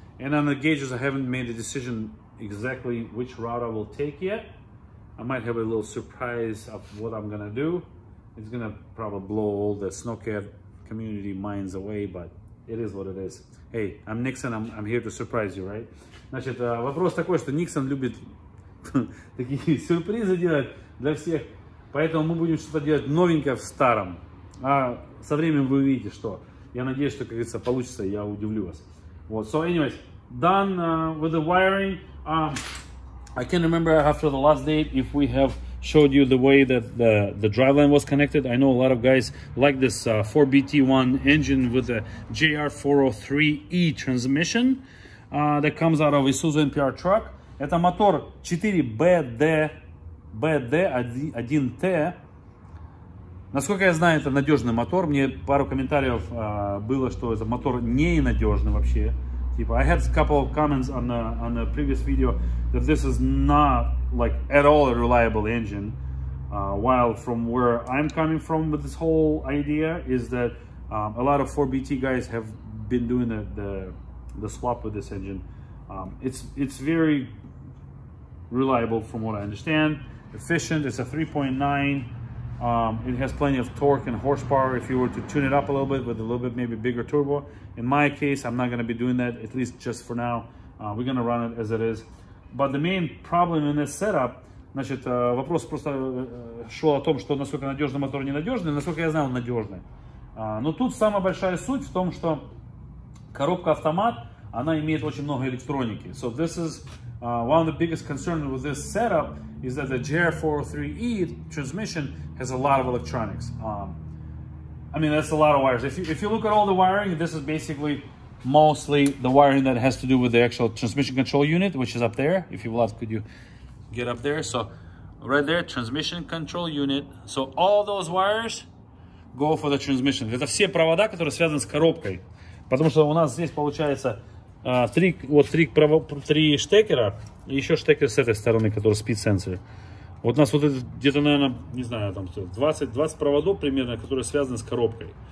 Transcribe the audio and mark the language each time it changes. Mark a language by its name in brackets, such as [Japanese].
[English] And on the gauges I haven't made a decision exactly which router will take yet. I might have a little surprise of what I'm gonna do. It's gonna probably blow all the SnowCat community minds away, but it is what it is. Hey, I'm Nixon, I'm here to surprise you, right? [Russian] Значит, вопрос такой, что Nixon любит такие сюрпризы делать для всех. Поэтому мы будем что-то делать новенькое в старом. А со временем вы увидите, что. Я надеюсь, что, как говорится, получится, я удивлю вас. [English] Вот. So, anyways, done with the wiring. I can't remember after the last date if we have showed you the way that the drive line was connected. I know a lot of guys like this 4BT1 engine with the JR403E transmission that comes out of Isuzu NPR truck. [Russian] Это мотор 4BD1T. Насколько я знаю, это надежный мотор. Мне пару комментариев было, что это мотор не надежный вообще. [English] Типа, I had a couple of comments on the previous video that this is not like at all a reliable engine. While from where I'm coming from with this whole idea is that a lot of 4BT guys have been doing the swap with this engine. It's very reliable from what I understand. Efficient, it's a 3.9. It has plenty of torque and horsepower if you were to tune it up a little bit with a little bit maybe bigger turbo. In my case, I'm not going to be doing that, at least just for now. We're going to run it as it is. But the main problem in this setup, [Russian] значит, вопрос просто шел о том, что насколько надежный мотор ненадежный, насколько я знаю, он надежный. Но тут самая большая суть в том, что коробка-автомат, она имеет очень много электроники. [English] So this is one of the biggest concerns with this setup is that the JR403E transmission has a lot of electronics. I mean, that's a lot of wires. If you look at all the wiring, this is basically mostly the wiring that has to do with the actual transmission control unit, which is up there. If you love, could you get up there? So right there, transmission control unit. So all those wires go for the transmission. [Russian] Это все провода, которые связаны с коробкой. Потому что у нас здесь получается три штекера и еще штекер с этой стороны, который speed sensor. Вот у нас вот это где-то, наверное, не знаю, там 20 проводов примерно, которые связаны с коробкой.